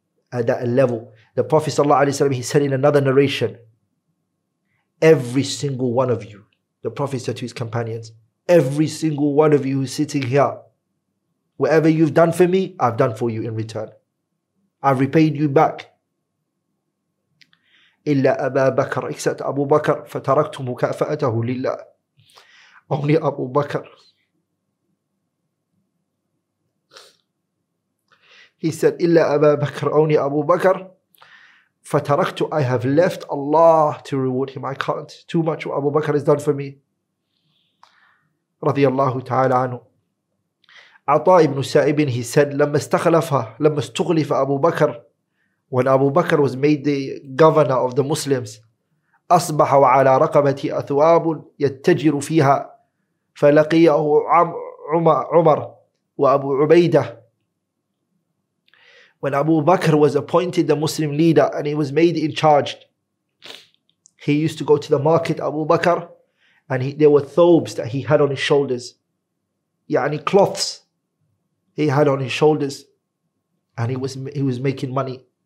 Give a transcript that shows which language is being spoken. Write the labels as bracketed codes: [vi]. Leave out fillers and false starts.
[en] At that level, the Prophet sallallahu alayhi wa sallam, he said in another narration, every single one of you, the Prophet said to his companions, every single one of you who's sitting here, whatever you've done for me, I've done for you in return. I've repaid you back. [ar] إلا أبا بكر, [en] except Abu Bakr, [ar] فتركت مكافأته لله. [en] Only Abu Bakr. He said, [ar] إلا أبا بكر, [en] only Abu Bakr, [ar] فتركت, [en] I have left Allah to reward him. I can't. Too much what Abu Bakr has done for me. [ar] رضي الله تعالى عنه. عطاء بن سائب, [en] he said, [ar] لما استخلف أبو بكر, [en] when Abu Bakr was made the governor of the Muslims, [ar] أصبح وعلى رقبتي أثواب يتجر فيها, فلقيه عمر وأبو عبيدة. [en] When Abu Bakr was appointed the Muslim leader and he was made in charge, he used to go to the market, Abu Bakr, and there were thobes that he had on his shoulders, يعني cloths he had on his shoulders, and he was making money.